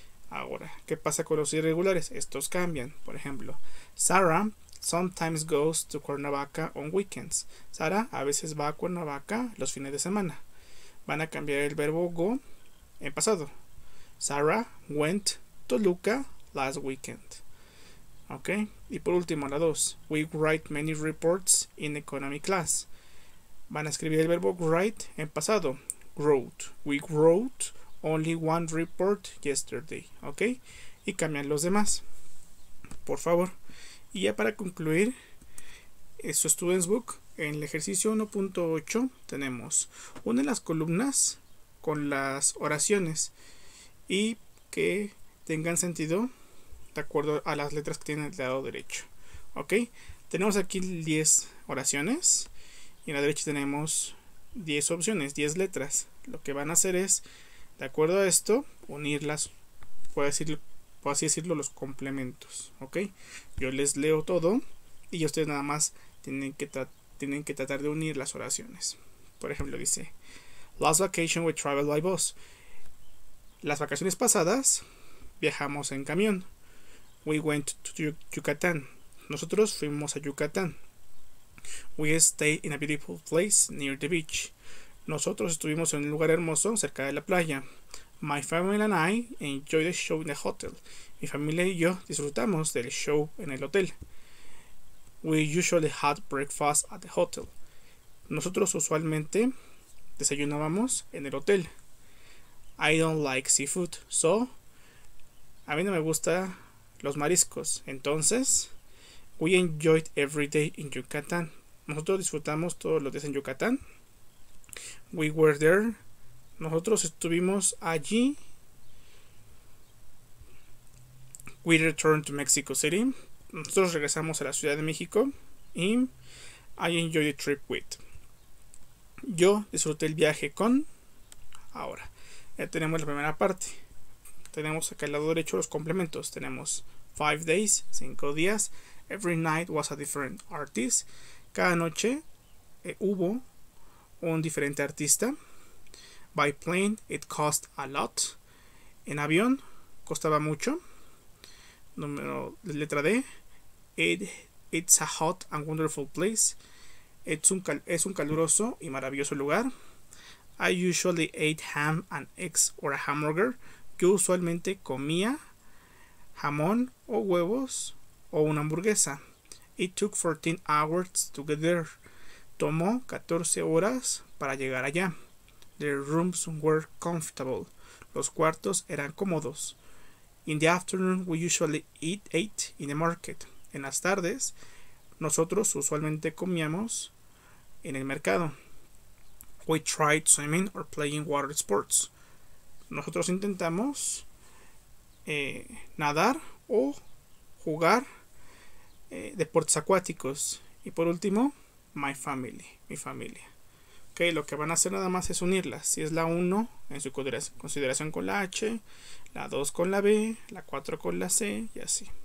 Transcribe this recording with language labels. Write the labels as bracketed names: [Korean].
[Spanish] Ahora, ¿qué pasa con los irregulares? Estos cambian. Por ejemplo, [English] Sarah sometimes goes to Cuernavaca on weekends. [Spanish] Sara a veces va a Cuernavaca los fines de semana. Van a cambiar el verbo go en pasado. [English] Sarah went to Toluca last weekend. Ok. [Spanish] Y por último, la 2. [English] We write many reports in economy class. [Spanish] Van a escribir el verbo write en pasado. [English] Wrote. We wrote only one report yesterday. [Spanish] Ok. Y cambian los demás. Por favor. Y ya para concluir su Students Book, en el ejercicio 1.8 tenemos una de las columnas con las oraciones y que tengan sentido de acuerdo a las letras que tienen el lado derecho. ¿Ok? Tenemos aquí 10 oraciones y en la derecha tenemos 10 opciones, 10 letras. lo que van a hacer es, de acuerdo a esto, unirlas, puedo así decirlo, los complementos, ¿ok? Yo les leo todo y ustedes nada más tienen que tratar de unir las oraciones. Por ejemplo, dice: [English] Last vacation we traveled by bus. [Spanish] Las vacaciones pasadas viajamos en camión. [English] We went to Yucatán. [Spanish] Nosotros fuimos a Yucatán. [English] We stayed in a beautiful place near the beach. [Spanish] Nosotros estuvimos en un lugar hermoso cerca de la playa. [English] My family and I enjoyed the show in the hotel. [Spanish] Mi familia y yo disfrutamos del show en el hotel. [English] We usually had breakfast at the hotel. [Spanish] Nosotros usualmente desayunábamos en el hotel. [English] I don't like seafood, so [Spanish] a mí no me gustan los mariscos. Entonces, [English] we enjoyed every day in Yucatán. [Spanish] Nosotros disfrutamos todos los días en Yucatán. [English] We were there. [Spanish] Nosotros estuvimos allí. [English] We returned to Mexico City. [Spanish] Nosotros regresamos a la Ciudad de México y [English] I enjoyed the trip with. [Spanish] Yo disfruté el viaje con. Ahora, ya tenemos la primera parte. Tenemos acá al lado derecho los complementos. Tenemos [English] 5 days, [Spanish] 5 días. [English] Every night was a different artist. [Spanish] Cada noche hubo un diferente artista. [English] By plane, it cost a lot. [Spanish] En avión, costaba mucho. Número, letra D. [English] It's a hot and wonderful place. [Spanish] Es un caluroso y maravilloso lugar. [English] I usually ate ham and eggs or a hamburger. [Spanish] Yo usualmente comía jamón o huevos o una hamburguesa. [English] It took 14 hours to get there. [Spanish] Tomó 14 horas para llegar allá. [English] The rooms were comfortable. [Spanish] Los cuartos eran cómodos. [English] In the afternoon, we usually ate in the market. [Spanish] En las tardes, nosotros usualmente comíamos en el mercado. [English] We tried swimming or playing water sports. [Spanish] Nosotros intentamos nadar o jugar deportes acuáticos. Y por último, [English] my family, [Spanish] mi familia. Okay, lo que van a hacer nada más es unirlas. Si es la 1 en su consideración con la H, la 2 con la B, la 4 con la C y así.